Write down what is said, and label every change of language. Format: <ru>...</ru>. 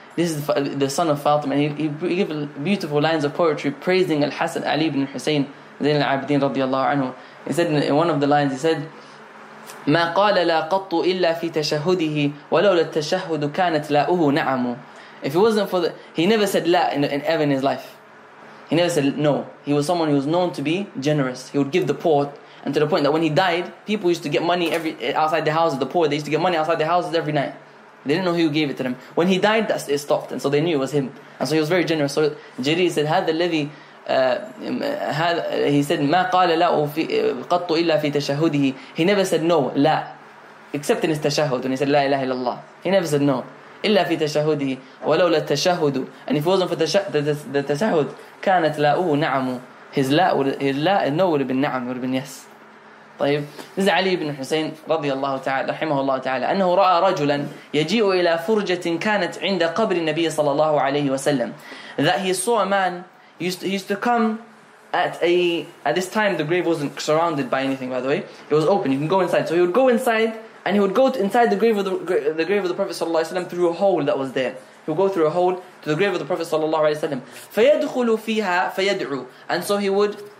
<en>This is the son of Fatima. He gave beautiful lines of poetry praising Al-Hasan Ali ibn Hussein Zain al-Abidin رضي الله عنه. He said in one of the lines, he said,</en> <ar>ما قال لا قط إلا في تشهده ولولا التشهد كانت لاؤه نعم.</ar> <en>If it wasn't for the... He never said la in ever in his life. He never said no. He was someone who was known to be generous. He would give the poor. And to the point that when he died, people used to get money every outside the houses. The poor, they used to get money outside the houses every night. They didn't know who gave it to them. When he died, that it stopped. And so they knew it was him. And so he was very generous. So Jari said, هذا الذي... He said,</en> <ar>ما قال لا قط إلا في تشهده.</ar> <en>He never said no, la. Except in his tashahud, when he said,</en> <ar>لا إله إلا الله.</ar> <en>He never said no.</en> <ar>إلا في تشهده ولولا التشهد.</ar> <en>And if it wasn't for the</en> <ar>تشهد كانت لا أو نعم.</ar> <en>His لا no would have been نعم, would have been yes.</en> <ar>طيب.</ar> <en>This is</en> <ar>علي بن حسين رضي الله تعالى رحمه الله تعالى. أنه رأى رجلا يجيء إلى فرجة كانت عند قبر النبي صلى الله عليه وسلم.</ar> <en>That he saw a man used to come at this time the grave wasn't surrounded by anything, by the way. It was open, you can go inside. So he would go inside. And he would go inside the grave of the Prophet sallallahu alaihi wasallam through a hole that was there. He would go through a hole to the grave of the Prophet sallallahu alaihi wasallam.</en> <ar>فيدخل فيها فيدعو.</ar> <en>And so he would</en>